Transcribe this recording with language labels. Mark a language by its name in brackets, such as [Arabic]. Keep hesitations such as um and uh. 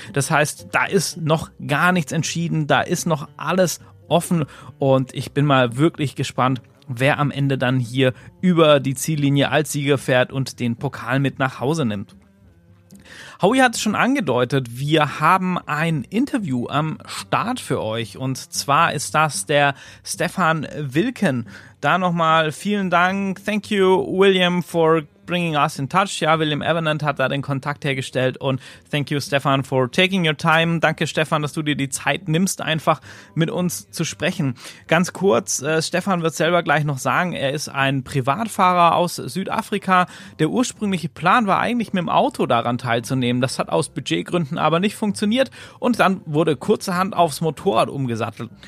[German] Das heißt, da ist noch gar nichts entschieden da ist noch alles offen und ich bin mal wirklich gespannt, wer am Ende dann hier über die Ziellinie als Sieger fährt und den Pokal mit nach Hause nimmt. Howie hat es schon angedeutet, wir haben ein Interview am Start für euch und zwar ist das der Stefan Wilken. Da nochmal vielen Dank. [English] Thank you, William, for bringing us in touch. [German] Ja, William Evanant hat da den Kontakt hergestellt und [English] thank you, Stefan, for taking your time. [German] Danke, Stefan, dass du dir die Zeit nimmst, einfach mit uns zu sprechen. Ganz kurz, äh, Stefan wird selber gleich noch sagen, er ist ein Privatfahrer aus Südafrika. Der ursprüngliche Plan war eigentlich, mit dem Auto daran teilzunehmen. Das hat aus Budgetgründen aber nicht funktioniert und dann wurde kurzerhand aufs Motorrad umgesattelt.